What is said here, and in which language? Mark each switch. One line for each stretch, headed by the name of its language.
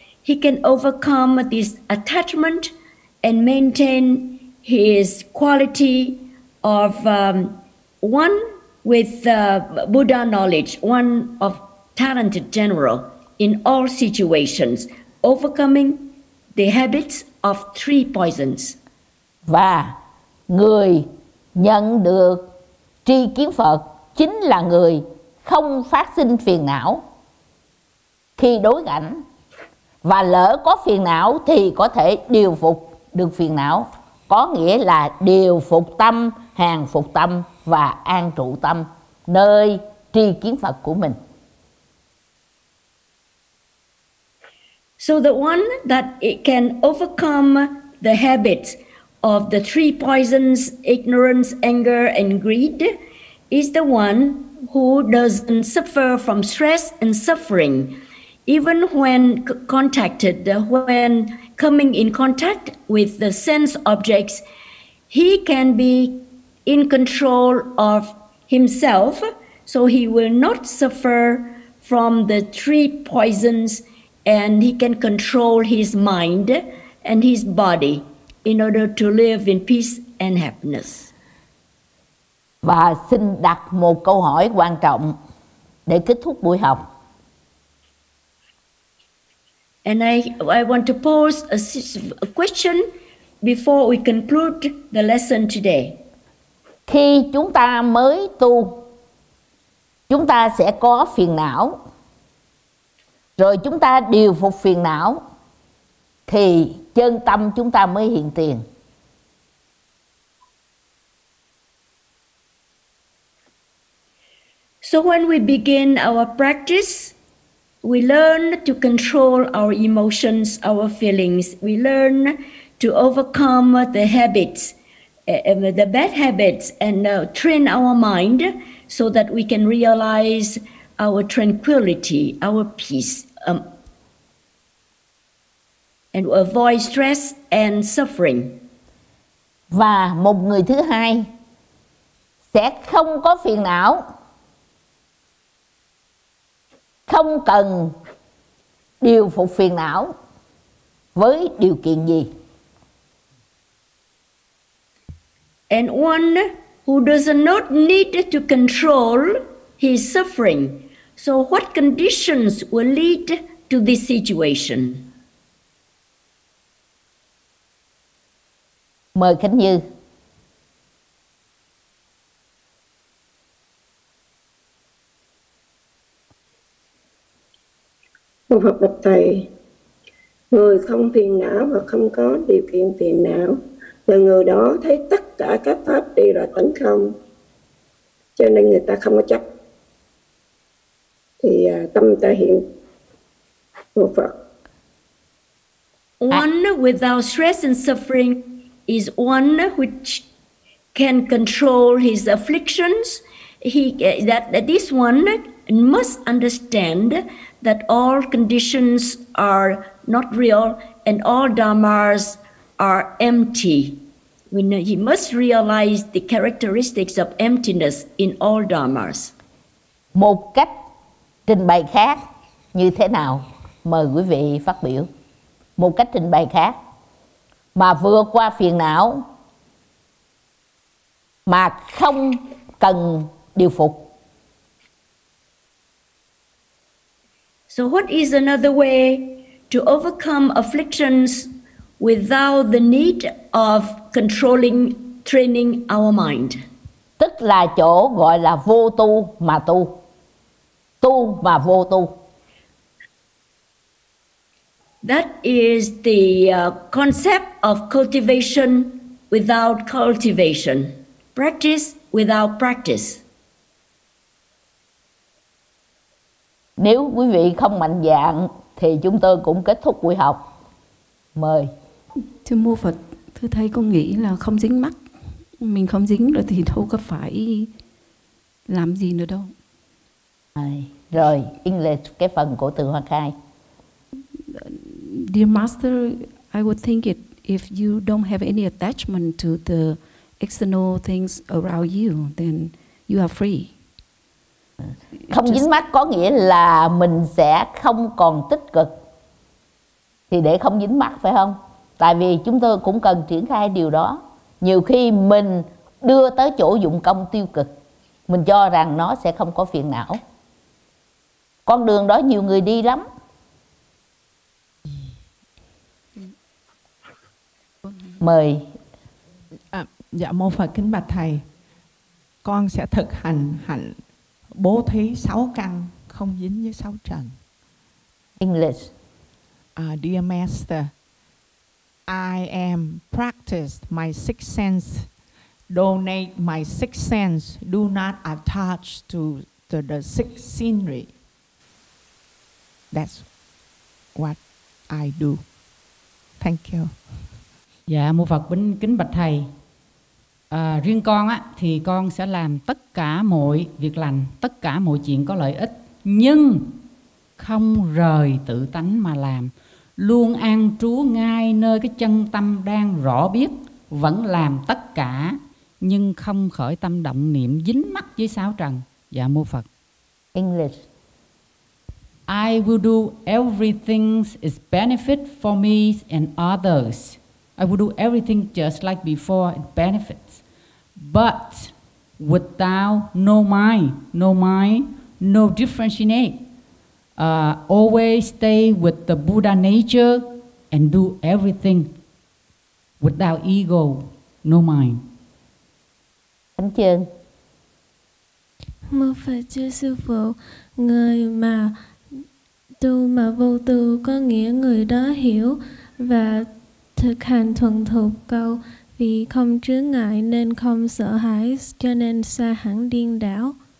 English: He can overcome this attachment and maintain his quality of one with Buddha knowledge, one of talented general in all situations, overcoming the habits of three poisons.
Vietnamese: Và người nhận được tri kiến Phật chính là người không phát sinh phiền não khi đối cảnh, và lỡ có phiền não thì có thể điều phục được phiền não, có nghĩa là điều phục tâm, hàng phục tâm và an trụ tâm nơi tri kiến Phật của mình.
English: So the one that it can overcome the habits of the three poisons, ignorance, anger and greed, is the one who doesn't suffer from stress and suffering. Even when contacted, when coming in contact with the sense objects, he can be in control of himself, so he will not suffer from the three poisons, and he can control his mind and his body in order to live in peace and happiness.
Vietnamese: Và xin đặt một câu hỏi quan trọng để kết thúc buổi học.
English: And I want to pose a question before we conclude the lesson today.
Vietnamese: Khi chúng ta mới tu, chúng ta sẽ có phiền não. Rồi chúng ta điều phục phiền não thì chân tâm chúng ta mới hiện tiền.
English: So when we begin our practice, we learn to control our emotions, our feelings. We learn to overcome the habits, the bad habits, and train our mind so that we can realize our tranquility, our peace, and avoid stress and suffering.
Vietnamese: Và một người thứ hai sẽ không có phiền não, không cần điều phục phiền não với điều kiện gì?
English: And one who does not need to control his suffering. So what conditions will lead to this situation?
Vietnamese: Mời Khánh Như. Cô Phật bạch Thầy, người không phiền não và không có điều kiện phiền não là người đó thấy tất cả các pháp đều là tánh không, cho nên người ta không có chấp, thì tâm ta hiện. Cô Phật.
English: One without stress and suffering is one which can control his afflictions. This one must understand that all conditions are not real and all dharmas are empty. He must realize the characteristics of emptiness in all dharmas.
Vietnamese: Một cách trình bày khác như thế nào? Mời quý vị phát biểu. Một cách trình bày khác mà vượt qua phiền não mà không cần điều phục.
English: So what is another way to overcome afflictions without the need of controlling, training our mind?
Vietnamese: Tức là chỗ gọi là vô tu mà tu. Tu mà vô tu.
English: That is the concept of cultivation without cultivation. Practice without practice.
Vietnamese: Nếu quý vị không mạnh dạn thì chúng tôi cũng kết thúc buổi học. Mời. Thưa Mô Phật, thưa Thầy, con nghĩ là không dính mắc. Mình không dính rồi thì đâu có phải làm gì nữa đâu. Rồi, English, cái phần của Từ Hoa Khai.
English: Dear Master, I would think it if you don't have any attachment to the external things around you, then you are free.
Vietnamese: Không dính mắc có nghĩa là mình sẽ không còn tích cực. Thì để không dính mắc phải không? Tại vì chúng tôi cũng cần triển khai điều đó. Nhiều khi mình đưa tới chỗ dụng công tiêu cực, mình cho rằng nó sẽ không có phiền não. Con đường đó nhiều người đi lắm. Mời. Dạ Mô Phật, kính bạch Thầy, con sẽ thực hành hạnh bố thí sáu căn không dính với sáu trần.
English: English. Dear Master, I am practice my six sense, donate my six sense, do not attach to the six scenery. That's what I do. Thank you.
Vietnamese: Dạ Mô Phật, kính bạch Thầy. Riêng con á, thì con sẽ làm tất cả mọi việc lành, tất cả mọi chuyện có lợi ích, nhưng không rời tự tánh mà làm. Luôn an trú ngay nơi cái chân tâm đang rõ biết, vẫn làm tất cả, nhưng không khởi tâm động niệm dính mắc với sáu trần. Dạ Mô Phật.
English: English. I will do everything is benefit for me and others. I will do everything just like before, it benefits. But without no mind, no differentiate. Always stay with the Buddha nature and do everything without ego, no mind.
Vietnamese: Thánh Trường. Mô Phật chư sư phụ, người mà tu mà vô tư có nghĩa người đó hiểu và thực hành thuần thục câu vì không chướng ngại nên không sợ hãi cho nên xa hẳn điên đảo.